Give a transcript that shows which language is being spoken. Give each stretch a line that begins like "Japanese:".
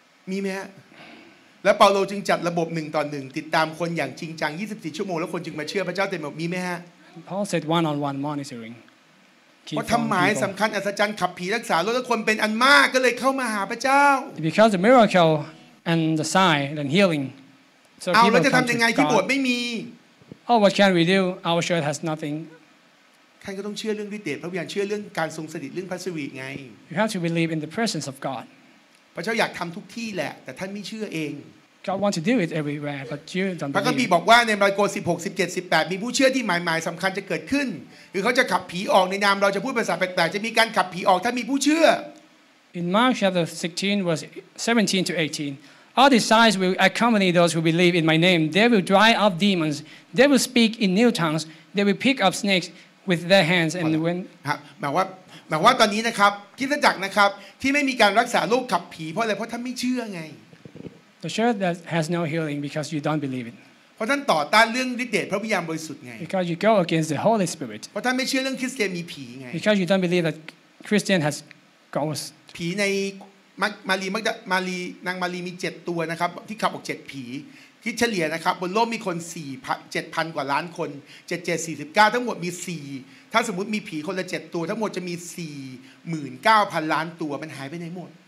Thai: มีไหมฮะและเปาโลจึงจัดระบบ1ต่อ1ติดตามคนอย่างจริงจัง24ชั่วโมงแล้วคนจึงมาเชื่อพระเจ้าเต็มหมดมีไหมฮะ
English: Paul said one on one monitoring
Thai: เพราะทำหมายสำคัญอัศจรรย์ขับผีรักษาโรคและคนเป็นอันมากก็เลยเข้ามาหาพระเจ้า
English: Because the miracle and the sign and healing
Thai: เอาแล้วจะทำยังไงที่โบสถ์ไม่มี
English: Oh what can we do our church has nothing
Thai: ท่านก็ต้องเชื่อเรื่องฤทธิ์เดชพระวิญญาณเชื่อเรื่องการทรงสถิตเรื่องพระสิริไง
English: You have to believe in the presence of God
Thai: พระเจ้าอยากทำทุกที่แหละแต่ท่านไม่เชื่อเอง
English: God wants to do it everywhere but you don't believe
Thai: พระคัมภีร์บอกว่าในมาระโก 16 17 18มีผู้เชื่อที่หมายสำคัญจะเกิดขึ้นคือเขาจะขับผีออกในนามเราจะพูดภาษาแปลกๆจะมีการขับผีออกถ้ามีผู้เชื่อ
English: In Mark chapter 16 verse 17 to 18 all these signs will accompany those who believe in my name they will drive out demons they will speak in new tongues they will pick up snakes with their hands and when
Thai: หมายว่าตอนนี้นะครับคริสตจักรนะครับที่ไม่มีการรักษาโรคขับผีเพราะอะไรเพราะท่านไม่เชื่อไง
English: The church that has no healing because you don't believe it
Thai: เพราะท่านต่อต้านเรื่องฤทธิ์เดชพระวิญญาณบริสุทธิ์ไง
English: Because you go against the Holy Spirit
Thai: เพราะท่านไม่เชื่อเรื่องคริสเตียนมีผีไง
English: Because you don't believe that Christian has ghosts
Thai: ผีในมารีนางมารีมี7ตัวนะครับที่ขับออก7ผีคิดเฉลี่ยนะครับบนโลกมีคน 7,000 กว่าล้านคน7749ทั้งหมดมี4ถ้าสมมุติมีผีคนละ7ตัวทั้งหมดจะมี 49,000 ล้านตัวมันหายไปไหนหมด